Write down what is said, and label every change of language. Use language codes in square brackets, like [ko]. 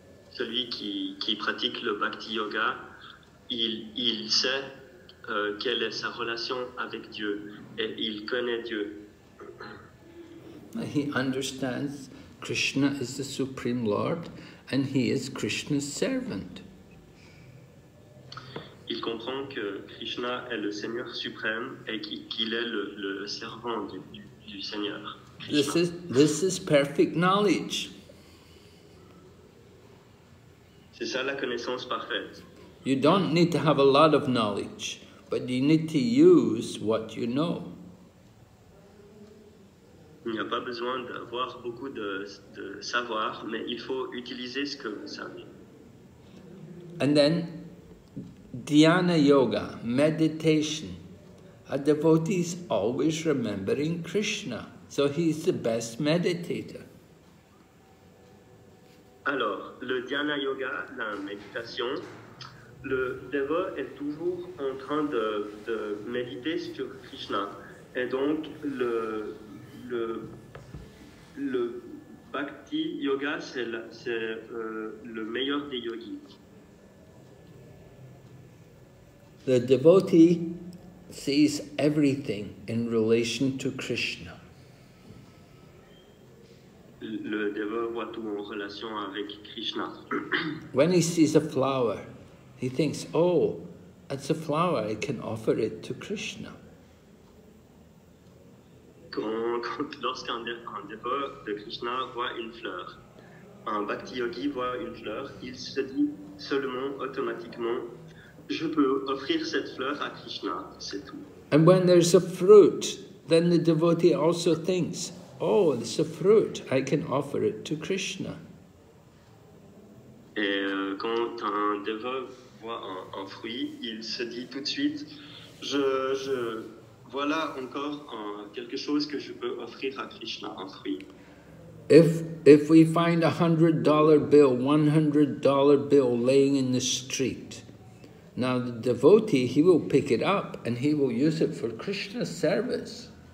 [fr] Celui qui pratique le bhakti yoga, il sait quelle est sa relation avec Dieu et il connaît Dieu. [en] He understands Krishna is the Supreme Lord and he is Krishna's servant. [fr] Il comprend que Krishna est le Seigneur suprême et qu'il est le servant du Seigneur. [en] This is perfect knowledge. [fr] C'est ça la connaissance parfaite. [en] You don't need to have a lot of knowledge, but you need to use what you know. [fr] Il n'y a pas besoin d'avoir beaucoup de savoir, mais il faut utiliser ce que vous savez. [en] And then dhyana yoga, meditation. A devotee is always remembering Krishna, so he is the best meditator. [fr] Alors, le dhyana yoga, la méditation, le dévot est toujours en train de méditer sur Krishna, et donc le bhakti yoga, c'est le meilleur des yogis. [en] The devotee sees everything in relation to Krishna. [fr] Le dévot voit tout en relation avec Krishna. [en] When he sees a flower, he thinks, oh, it's a flower, I can offer it to Krishna. [fr] Lorsqu'un dévot de Krishna voit une fleur, un bhakti yogi voit une fleur, il se dit seulement automatiquement, je peux offrir cette fleur à Krishna, c'est tout. [en] And when there's a fruit, then the devotee also thinks, oh, it's a fruit, I can offer it to Krishna. [fr] Et quand un dévot voit un fruit, il se dit tout de suite, je voilà encore quelque chose que je peux offrir à Krishna, un fruit. [en] If we find $100 bill, $100 bill laying in the street, now the devotee, he will pick it up and he will use it for Krishna's service.